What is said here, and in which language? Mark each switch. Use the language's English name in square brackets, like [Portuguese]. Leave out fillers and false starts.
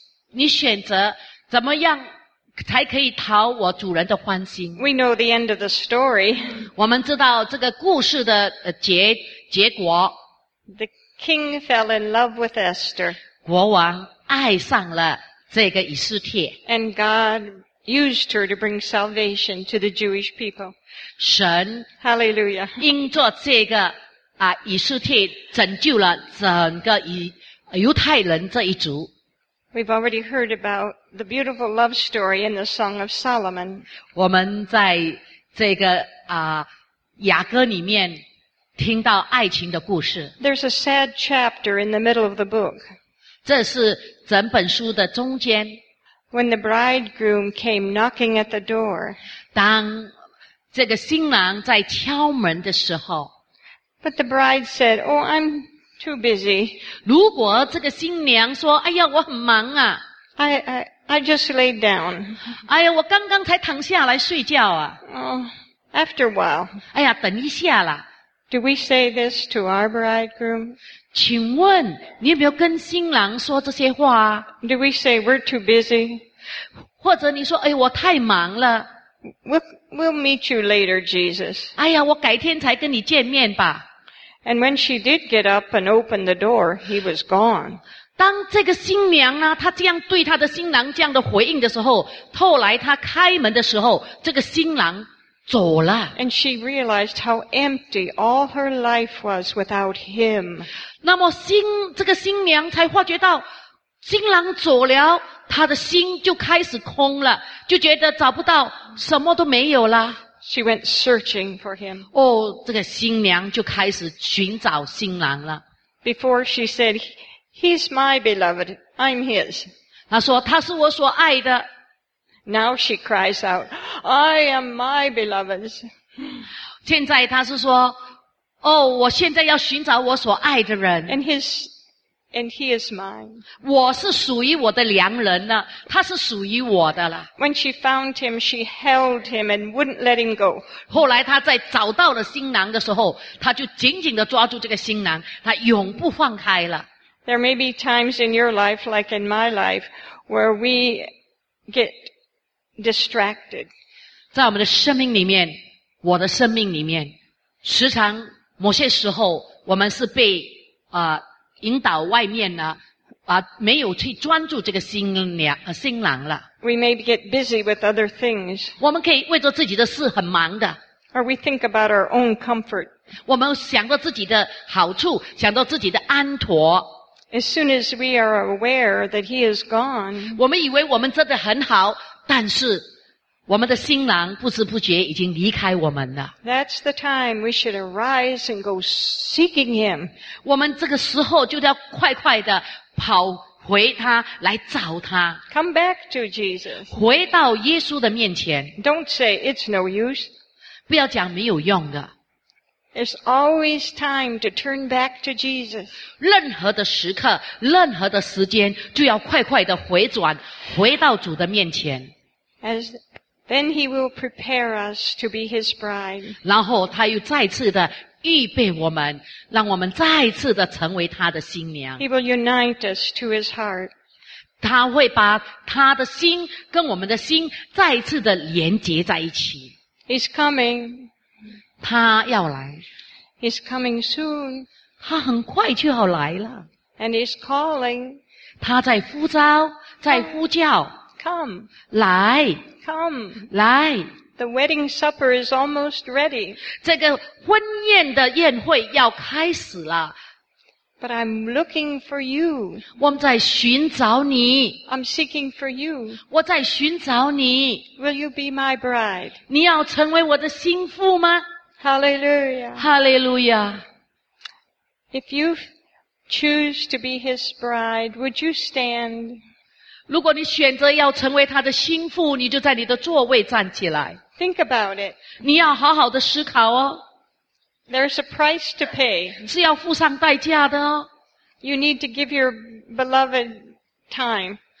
[Chinese] 你选择怎么样才可以讨我主人的欢心。 [English] We know the end of the story. [Chinese] 我们知道这个故事的结果。 [English] King fell in love with Esther. [Chinese] 国王爱上了这个以斯帖。 [English] And God used her to bring salvation to the Jewish people. [Chinese] 神 [English] Hallelujah. [Chinese] 因着这个以斯帖拯救了整个犹太人这一族。 [English] We've already heard about the beautiful love story in the Song of Solomon. [Chinese] 我们在这个雅歌里面听到爱情的故事。 [English] There's a sad chapter in the middle of the book. [Chinese] 这是整本书的中间。 [English] When the bridegroom came knocking at the door. [Chinese] 当这个新郎在敲门的时候。 [English] But the bride said, Oh, I'm too busy. [Chinese] 如果这个新娘说，哎呀，我很忙啊。 [English] I just laid down. [Chinese] 哎呀，我刚刚才躺下来睡觉啊。 [English] Oh, after a while. [Chinese] 哎呀，等一下啦。 [English] Do we say this to our bridegroom? [Chinese] 请问你有没有跟新郎说这些话啊？ [English] Do we say we're too busy? [Chinese] 或者你说，哎，我太忙了。 [English] We'll meet you later, Jesus. [Chinese] 哎呀，我改天才跟你见面吧。 [English] And when she did get up and open the door, he was gone. [Chinese] 当这个新娘呢，她这样对她的新郎这样的回应的时候，后来她开门的时候，这个新郎走了。 [English] And she realized how empty all her life was without him. [Chinese] 那么这个新娘才发觉到，新郎走了，她的心就开始空了，就觉得找不到，什么都没有了。 [English] She went searching for him. [Chinese] 哦，这个新娘就开始寻找新郎了。 [English] Before she said, "He's my beloved, I'm his." [Chinese] 她说他是我所爱的。 [English] Now she cries out, "I am my beloved's." [Chinese] 现在她是说，哦，我现在要寻找我所爱的人。 [English] And he is mine. [Chinese] 我是属于我的良人了，他是属于我的了。 [English] When she found him, she held him and wouldn't let him go. [Chinese] 后来他在找到了新郎的时候，他就紧紧地抓住这个新郎，他永不放开了。 [English] There may be times in your life, like in my life, where we get distracted. [Chinese] 在我们的生命里面，我的生命里面，时常某些时候，我们是被引导外面呢，啊，没有去专注这个新郎了。 [English] We may get busy with other things. [Chinese] 我们可以为着自己的事很忙的。 [English] Or we think about our own comfort. [Chinese] 我们想到自己的好处，想到自己的安妥。 [English] As soon as we are aware that he is gone. [Chinese] 我们以为我们真的很好，但是我们的新郎不知不觉已经离开我们了。 [English] That's the time we should arise and go seeking him. [Chinese] 我们这个时候就要快快地跑回他来找他。 [English] Come back to Jesus. [Chinese] 回到耶稣的面前。 [English] Don't say it's no use. [Chinese] 不要讲没有用的。 [English] It's always time to turn back to Jesus. [Chinese] 任何的时刻，任何的时间，就要快快地回转，回到主的面前。 [English] Then he will prepare us to be his bride. [Chinese] 然后他又再次的预备我们，让我们再次的成为他的新娘。 [English] He will unite us to his heart. [Chinese] 他会把他的心跟我们的心再次的连接在一起。 [English] He's coming. [Chinese] 他要来。 [English] He's coming soon. [Chinese] 他很快就要来了。 [English] And he's calling. [Chinese] 他在呼召，在呼叫。 [English] Come. [Chinese] 来。 [English] Come. [Chinese] 来。 [English] The wedding supper is almost ready. [Chinese] 这个婚宴的宴会要开始了。 [English] But I'm looking for you. [Chinese] 我们在寻找你。 [English] I'm seeking for you. [Chinese] 我在寻找你。 [English] Will you be my bride? [Chinese] 你要成为我的新妇吗？ [English] Hallelujah. Hallelujah. If you choose to be his bride, would you stand? [Chinese] 如果你选择要成为他的心腹，你就在你的座位站起来。 [English] Think about it. [Chinese] 你要好好的思考哦。 [English] There's a price to pay. [Chinese] 是要付上代价的哦。 [English] You need to give your beloved time.